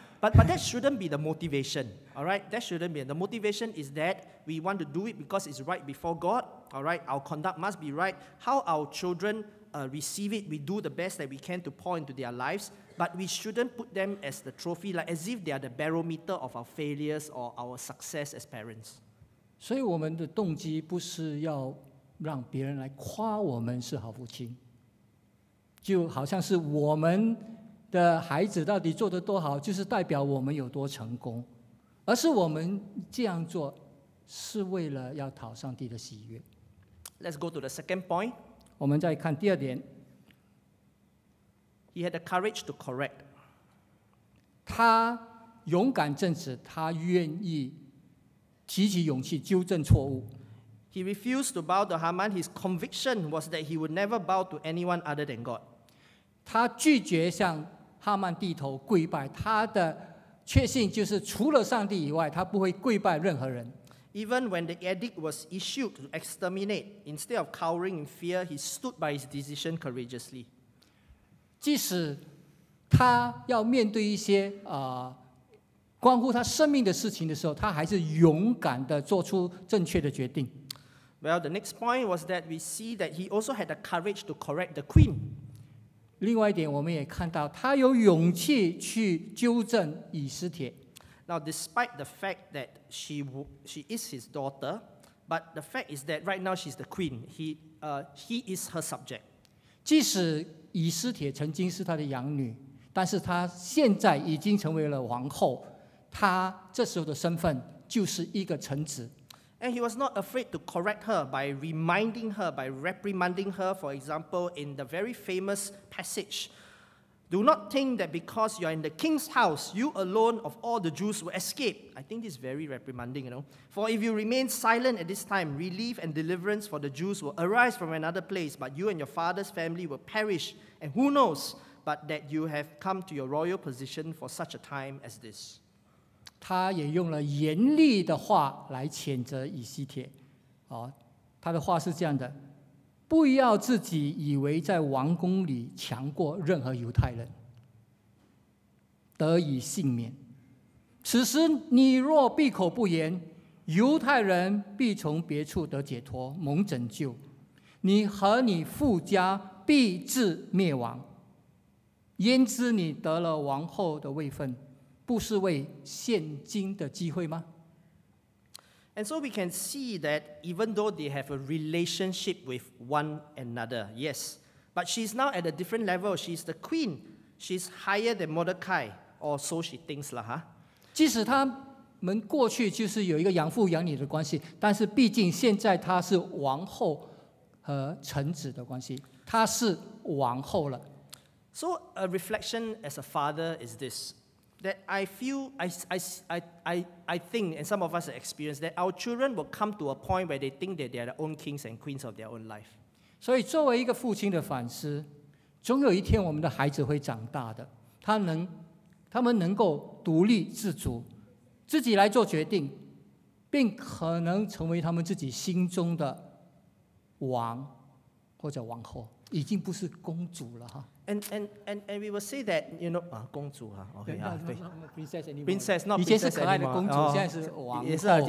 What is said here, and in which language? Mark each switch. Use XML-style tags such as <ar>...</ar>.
<en>But that shouldn't be the motivation, all right? That shouldn't be. The motivation is that we want to do it because it's right before God, all right? Our conduct must be right. How our children receive it, we do the best that we can to pour into their lives, but we shouldn't put them as the trophy, like as if they are the barometer of our failures or our success as parents.</en> <zh>所以我们的动机不是要让别人来夸我们是好父亲，就好像是我们的孩子到底做得多好，就是代表我们有多成功，而是我们这样做是为了要讨上帝的喜悦。</zh> <en>Let's go to the second point.</en> <zh>我们再看第二点。</zh> <en>He had the courage to correct.</en> <zh>他勇敢正直，他愿意提起勇气纠正错误。</zh> <en>He refused to bow to Haman. His conviction was that he would never bow to anyone other than God.</en> <zh>他拒绝向哈曼低头跪拜，他的确信就是除了上帝以外，他不会跪拜任何人。</zh> <en>Even when the edict was issued to exterminate, instead of cowering in fear, he stood by his decision courageously.</en> <zh>即使他要面对一些关乎他生命的事情的时候，他还是勇敢地做出正确的决定。</zh> <en>Well, the next point was that we see that he also had the courage to correct the queen.</en> <zh>另外一点，我们也看到他有勇气去纠正以斯帖。</zh> <en>Now, despite the fact that she is his daughter, but the fact is that right now she's the queen. He is her subject.</en> <zh>即使以斯帖曾经是他的养女，但是他现在已经成为了王后，他这时候的身份就是一个臣子。</zh> <en>And he was not afraid to correct her by reminding her, by reprimanding her, for example, in the very famous passage, "Do not think that because you are in the king's house, you alone of all the Jews will escape." I think this is very reprimanding, you know. "For if you remain silent at this time, relief and deliverance for the Jews will arise from another place, but you and your father's family will perish. And who knows but that you have come to your royal position for such a time as this."</en> <zh>他也用了严厉的话来谴责以西帖，他的话是这样的，不要自己以为在王宫里强过任何犹太人，得以幸免。此时你若闭口不言，犹太人必从别处得解脱，蒙拯救，你和你父家必致灭亡。焉知你得了王后的位分，不是为现今的机会吗？</zh> <en>And so we can see that even though they have a relationship with one another, yes, but she's now at a different level. She's the queen. She's higher than Mordecai, or so she thinks, lah.</en> <zh>即使他们过去就是有一个养父养女的关系，但是毕竟现在她是王后和臣子的关系，她是王后了。</zh> <en>So a reflection as a father is this. That I feel, I think, and some of us have experienced that our children will come to a point where they think that they are their own kings and queens of their own life.</en> <zh>所以作为一个父亲的反思，总有一天我们的孩子会长大的，他们能够独立自主，自己来做决定，并可能成为他们自己心中的王或者王后，已经不是公主了哈。</zh> <en>And we will say that, you know, 公主, okay, not princess anymore. Princess, not princess anymore.</en> <zh>以前是可爱的公主, 现在是王后。</zh>